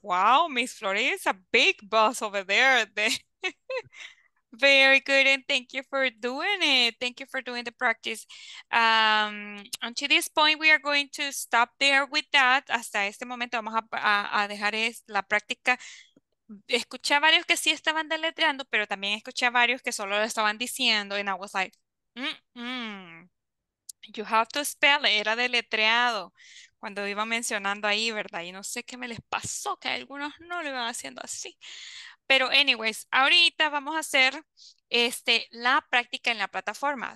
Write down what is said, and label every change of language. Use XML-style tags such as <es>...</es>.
<en>Wow, Miss Flor is a big boss over there. Very good. And thank you for doing it. Thank you for doing the practice. Until this point, we are going to stop there with that.</en> <es>Hasta este momento vamos a dejar la práctica. Escuché a varios que sí estaban deletreando, pero también escuché a varios que solo lo estaban diciendo.</es> <en>And I was like, you have to spell it.</en> <es>Era deletreado. Cuando iba mencionando ahí, ¿verdad? Y no sé qué me les pasó, que algunos no lo iban haciendo así. Pero anyways, ahorita vamos a hacer la práctica en la plataforma.</es>